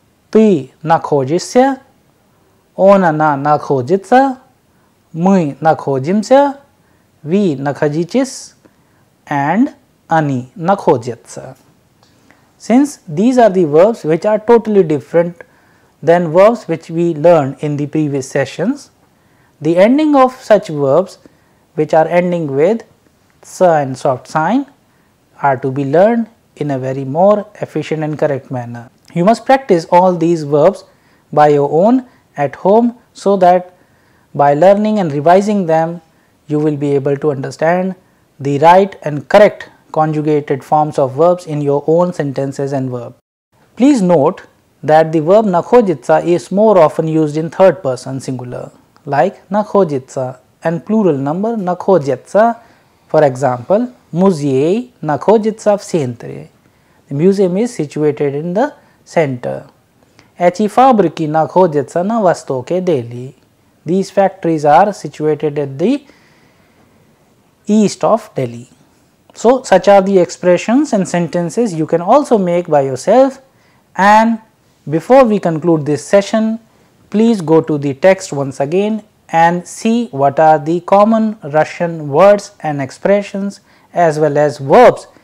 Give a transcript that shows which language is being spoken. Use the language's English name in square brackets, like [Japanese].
[Russian] Ты находишься, он она находится, мы находимся, вы находитесь, and они находятся. [English] Since these are the verbs which are totally different than verbs which we learned in the previous sessions, the ending of such verbs which are ending with sa and soft sign are to be learned in a very more efficient and correct manner. You must practice all these verbs by your own at home so that by learning and revising them, you will be able to understand the right and correct conjugated forms of verbs in your own sentences and verb. Please note that the verb nakhojitsa is more often used in third person singular, like nakhojitsa, and plural number nakhojitsa, for example, [Russian] muzhei nakhojitsa v sentre. [English] The museum is situated in the center. [Russian] Эти фабрики находятся на востоке Дели. [English] These factories are situated at the east of Delhi. So, such are the expressions and sentences you can also make by yourself. And before we conclude this session, please go to the text once again and see what are the common Russian words and expressions as well as verbs